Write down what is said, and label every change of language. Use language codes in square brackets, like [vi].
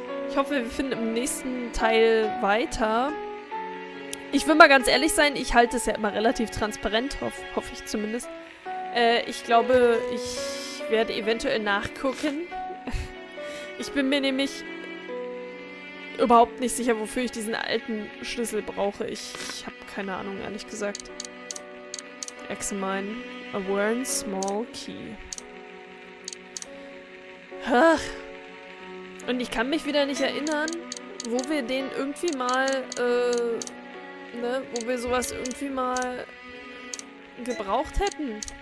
[de] Ich hoffe, wir finden im nächsten Teil weiter. Ich will mal ganz ehrlich sein, ich halte es ja immer relativ transparent, hoffe ich zumindest. Ich glaube, ich werde eventuell nachgucken. Ich bin mir nämlich überhaupt nicht sicher, wofür ich diesen alten Schlüssel brauche. Ich habe keine Ahnung, ehrlich gesagt. [en] Examine a worn small key. [de] Ach. Und ich kann mich wieder nicht erinnern, wo wir den irgendwie mal, wo wir sowas irgendwie mal gebraucht hätten.